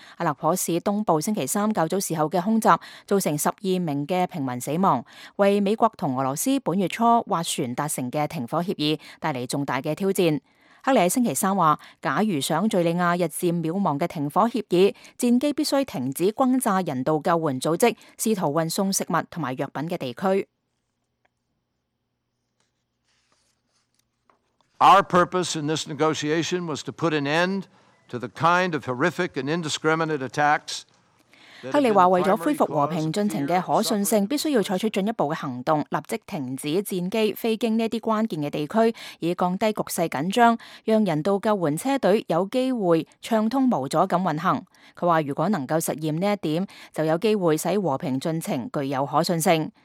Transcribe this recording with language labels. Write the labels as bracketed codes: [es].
[zh] 阿勒颇市东部星期三较早时候的空袭造成12名的平民死亡，为美国和俄罗斯本月初划船达成的停火协议带来重大的挑战。克里星期三说，假如想叙利亚日渐渺茫的停火协议，战机必须停止轰炸人道救援组织试图运送食物和药品的地区。 [en] Our purpose in this negotiation was to put an end to the kind of horrific and indiscriminate attacks。 [zh] 克里说，为了恢复和平进程的可信性，必须要采取进一步的行动，立即停止战机飞经这些关键的地区，以降低局势紧张，让人道救援车队有机会畅通无阻地运行。他说，如果能够实现这一点，就有机会使和平进程具有可信性。